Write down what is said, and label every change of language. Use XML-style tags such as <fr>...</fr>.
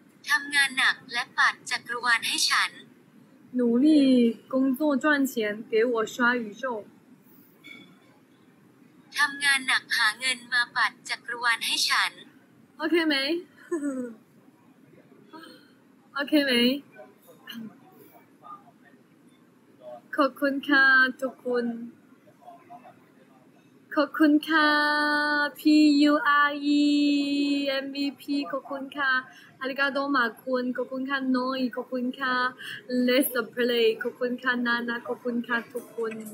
<th>ทำงานหนักและปัดจักรวาลให้ฉัน</th> <zh>努力工作赚钱给我刷宇宙</zh> <th>ทำงานหนักหาเงินมาปัดจักรวาลให้ฉัน OK ไหม OK ไหมขอบคุณค่ะทุกคนขอบคุณค่ะ P U R E M V P ขอบคุณค่ะอาริกาโดมาคุณขอบคุณค่ะน้อยขอบคุณค่ะ</th> <en>Let's play</en> <th>ขอบคุณค่ะนานาขอบคุณค่ะทุกคน</th>